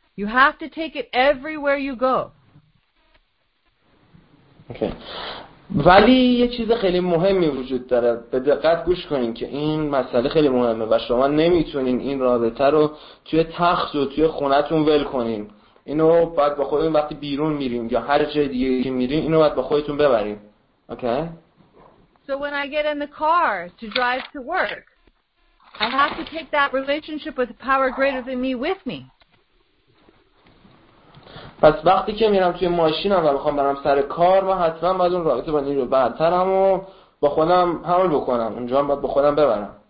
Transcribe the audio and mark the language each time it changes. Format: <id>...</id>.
<en>You have to take it everywhere you go. Okay.</en> <fa>ولی یه چیز خیلی مهمی وجود داره. به دقت گوش کنین که این مسئله خیلی مهمه و شما نمیتونین این رابطه رو توی تخت و توی خونتون ول کنین. اینو باید با خودتون وقتی بیرون میرین یا هر جای دیگه که میرین اینو باید با خودتون ببرین.</fa> <en>Okay? So when I get in the car to drive to work, I have to take that relationship with a power greater than me with me.</en> <fa>پس وقتی که میرم توی ماشینم و میخوام برم سر کار، من حتما باید اون رابطه با نیرو برترم و با خودم حمل بکنم. اونجا هم باید با خودم ببرم.</fa>